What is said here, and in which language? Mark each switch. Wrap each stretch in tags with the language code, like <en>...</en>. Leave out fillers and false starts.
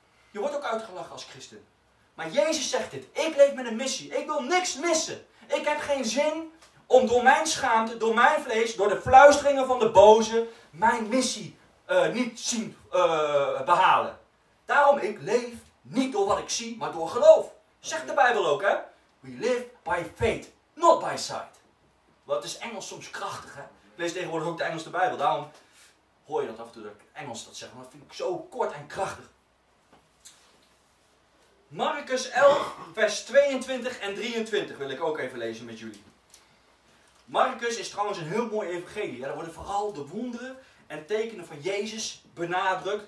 <nl>Je wordt ook uitgelachen als christen. Maar Jezus zegt dit. Ik leef met een missie. Ik wil niks missen. Ik heb geen zin om door mijn schaamte, door mijn vlees, door de fluisteringen van de boze, mijn missie niet zien behalen. Daarom, ik leef niet door wat ik zie, maar door geloof. Zegt de Bijbel ook, hè?</nl> <en>We live by faith, not by sight.</en> <nl>Wat is Engels soms krachtig, hè? Ik lees tegenwoordig ook de Engelse Bijbel. Daarom hoor je dat af en toe dat ik Engels dat zeg. Maar dat vind ik zo kort en krachtig. Markus 11, vers 22 en 23 wil ik ook even lezen met jullie. Marcus is trouwens een heel mooi evangelie. Ja, daar worden vooral de wonderen en tekenen van Jezus benadrukt.</nl>